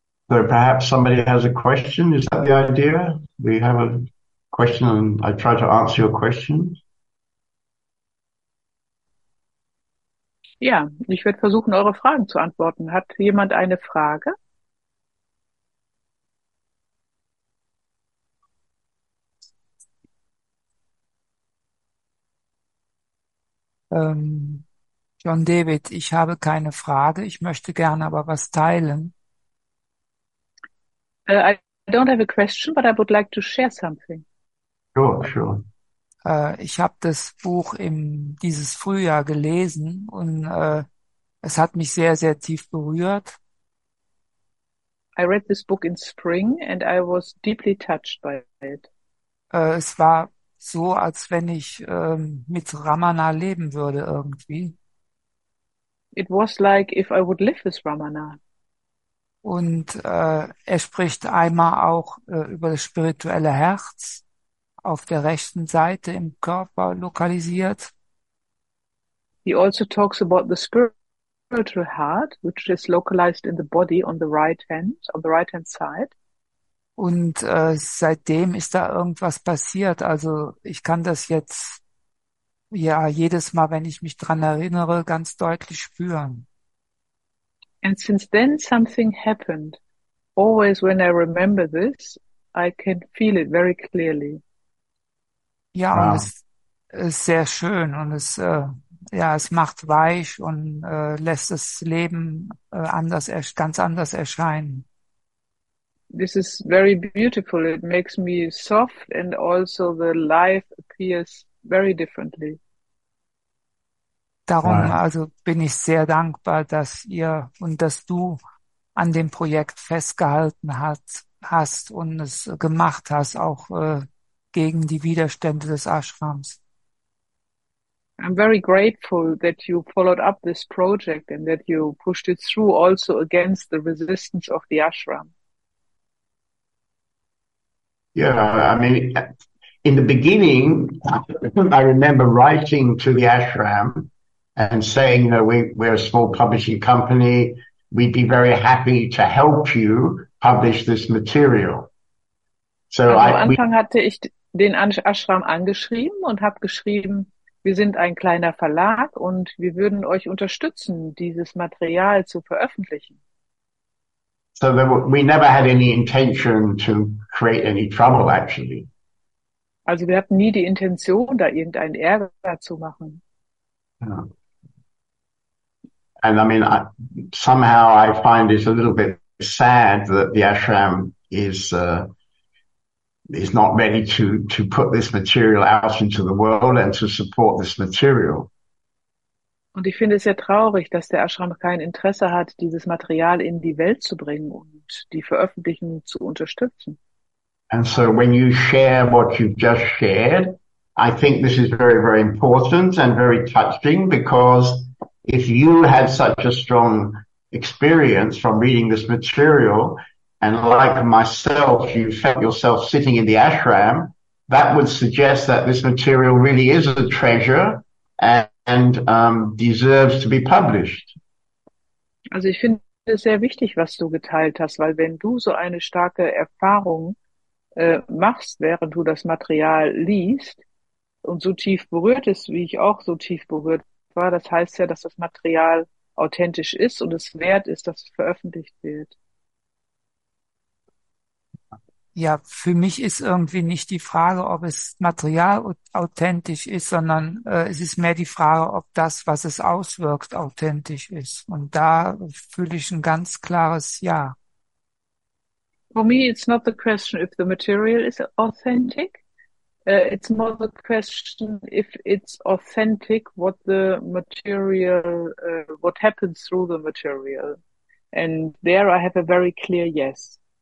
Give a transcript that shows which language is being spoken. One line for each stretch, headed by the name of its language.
English: So perhaps somebody has a question, is that the idea? We have a question and I try to answer your questions.
German: Ja, ich werde versuchen, eure Fragen zu antworten. Hat jemand eine Frage? John David, ich habe keine Frage. Ich möchte gerne aber was teilen.
English: I don't have a question, but I would like to share something. Sure, sure.
German: Ich habe das Buch dieses Frühjahr gelesen und es hat mich sehr, sehr tief berührt.
English: I read this book in spring and I was deeply touched by it.
German: Es war so, als wenn ich mit Ramana leben würde irgendwie.
English: It was like if I would live with Ramana.
German: Und er spricht einmal auch über das spirituelle Herz, auf der rechten Seite im Körper lokalisiert.
English: He also talks about the spiritual heart, which is localized in the body on the right hand side.
German: Und seitdem ist da irgendwas passiert. Also ich kann das jetzt ja jedes Mal, wenn ich mich dran erinnere, ganz deutlich spüren.
English: And since then something happened. Always when I remember this, I can feel it very clearly.
German: Ja, wow. Und es ist sehr schön und es ja, es macht weich und lässt das Leben ganz anders erscheinen.
English: This is very beautiful. It makes me soft and also the life appears very differently.
German: Darum wow. Also bin ich sehr dankbar, dass ihr und dass du an dem Projekt festgehalten hast und es gemacht hast, auch gegen die Widerstände des Ashrams.
English: I'm very grateful that you followed up this project and that you pushed it through also against the resistance of the Ashram. Yeah, I mean, in the beginning, I remember writing to the Ashram and saying, you know, we're a small publishing company, we'd be very happy to help you publish this material.
German: So am Anfang hatte ich den Ashram angeschrieben und habe geschrieben, Wir sind ein kleiner Verlag und wir würden euch unterstützen, dieses Material zu veröffentlichen.
English: So there were, we never had any intention to create any trouble, actually.
German: Also wir hatten nie die Intention, da irgendeinen Ärger zu machen.
English: Yeah. And I mean, I, somehow I find it a little bit sad that the ashram is not ready to put this material out into the world and to support this material.
German: Und ich finde es sehr traurig, dass der Ashram kein Interesse hat, dieses Material in die Welt zu bringen und die Veröffentlichung zu unterstützen.
English: And so when you share what you've just shared, I think this is very, very important and very touching, because if you had such a strong experience from reading this material, and like myself, you felt yourself sitting in the ashram, that would suggest that this material really is a treasure and deserves to be published.
German: Also ich finde es sehr wichtig, was du geteilt hast, weil wenn du so eine starke Erfahrung machst, während du das Material liest und so tief berührt ist, wie ich auch so tief berührt war, das heißt ja, dass das Material authentisch ist und es wert ist, dass es veröffentlicht wird. Ja, für mich ist irgendwie nicht die Frage, ob es Material authentisch ist, sondern es ist mehr die Frage, ob das, was es auswirkt, authentisch ist. Und da fühle ich ein ganz klares Ja.
English: For me, it's not the question if the material is authentic. It's more the question if it's authentic, what the material, what happens through the material. And there I have a very clear yes.